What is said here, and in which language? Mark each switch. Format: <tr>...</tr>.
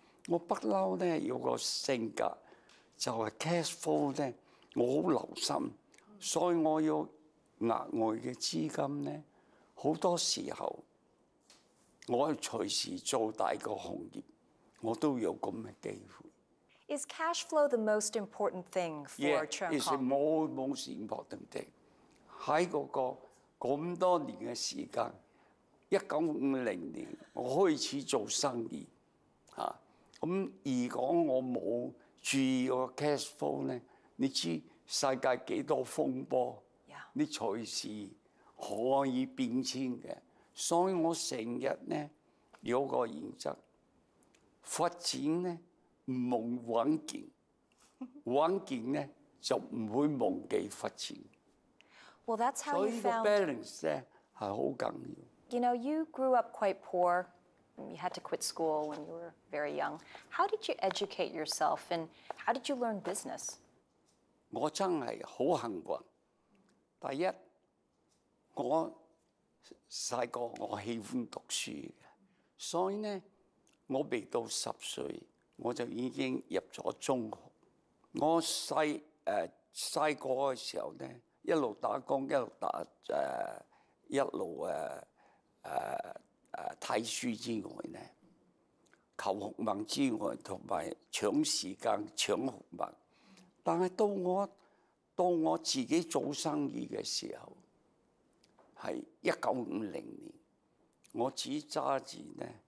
<yue>我不嬲呢有個性格，就係 cash flow 呢，我好留心，所以我要額外的資金呢，很多時候我隨時做大個行業，我都有咁嘅機會。</yue> <en>Is cash flow the most important thing for Chen Kong? Yes, it's most important thing.</en> <yue>喺嗰個咁多年嘅時間，1950年我開始做生意，嚇咁而講我冇注意個 cash flow 咧，你知世界幾多風波？你隨時可以變遷的，所以我成日呢有個原則，發展呢唔夢穩健，穩健呢就唔會忘記發展。</yue> <en>Well, that's how you found.</en> <yue>所以個 balance 呢係好緊要。</yue> <en>You know, you grew up quite poor. You had to quit school when you were very young. How did you educate yourself, and how did you learn business?</en> <yue>我真係好幸運。第一，我細個我喜歡讀書嘅，所以咧，我未到十歲我就已經入咗中學。我細個嘅時候咧，一路打工，一路打一路睇書之外咧，求學問之外，同埋搶時間搶學問，但係到我自己做生意的時候，是1950年，我只揸住呢</yue>